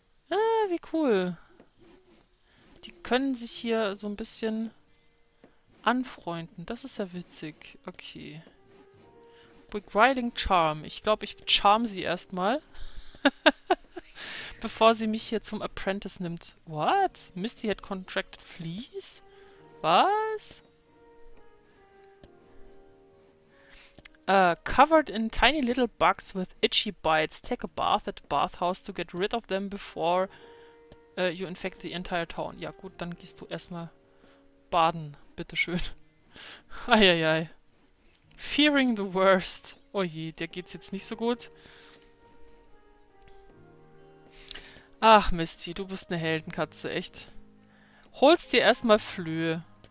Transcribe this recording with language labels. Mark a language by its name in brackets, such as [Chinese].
[German] Ah, wie cool. Die können sich hier so ein bisschen anfreunden. Das ist ja witzig. Okay. Beguiling Charm. Ich glaube, ich charme sie erstmal. Bevor sie mich hier zum Apprentice nimmt. [English] What? Misty had contracted fleas? Was? Covered in tiny little bugs with itchy bites. Take a bath at the bathhouse to get rid of them before you infect the entire town. [German] Ja gut, dann gehst du erstmal baden, bitteschön. Eieiei. [English] Fearing the worst. [German] Oh je, der geht's jetzt nicht so gut. Ach Misty, du bist eine Heldenkatze, echt. Holst dir erstmal Flöhe.